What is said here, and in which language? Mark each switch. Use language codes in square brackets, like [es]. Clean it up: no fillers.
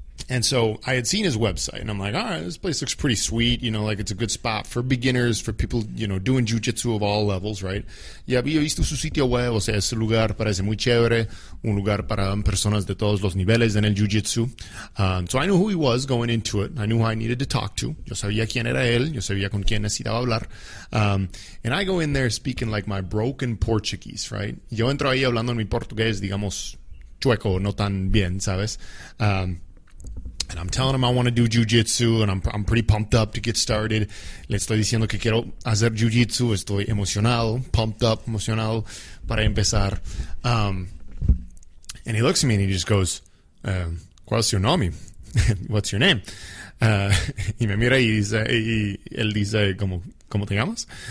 [en] And so I had seen his website, and I'm like, all right, this place looks pretty sweet. You know, like it's a good spot for beginners, for people, you know, doing jiu-jitsu of all levels, right? [es] Ya había visto su sitio web, o sea, ese lugar parece muy chévere, un lugar para personas de todos los niveles en el jiu-jitsu. [en] So I knew who he was going into it. I knew who I needed to talk to. [es] Yo sabía quién era él. Yo sabía con quién necesitaba hablar. [en] And I go in there speaking like my broken Portuguese, right? [es] Yo entro ahí hablando en mi portugués, digamos, chueco, no tan bien, ¿sabes? [en] And I'm telling him I want to do jiu-jitsu, and I'm pretty pumped up to get started. [es] Le estoy diciendo que quiero hacer jiu-jitsu. Estoy emocionado, [en] pumped up, [es] emocionado para empezar. [en] And he looks at me and he just goes, [es] ¿cuál es tu nombre? [en] What's your name? [es] Y me mira y, dice, y él dice, ¿cómo te llamas?